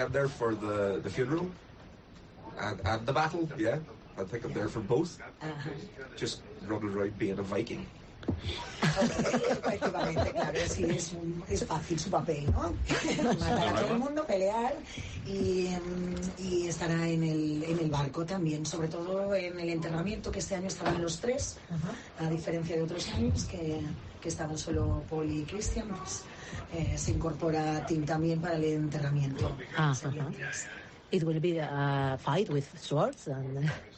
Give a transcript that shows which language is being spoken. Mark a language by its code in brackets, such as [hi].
[en] I'm there for the funeral and the battle, yeah. I think I'm there for both. Uh-huh. Just running around being a Viking. [es] Efectivamente, claro, sí, es fácil su papel, ¿no? Matar a todo el mundo, pelear y estará en el barco también, sobre todo en el enterramiento, que este año estarán los tres, a diferencia de otros años, que estaban solo Paul y Christian, pues se incorpora Tim también para el entrenamiento. [en] Ah, it will be a fight with swords and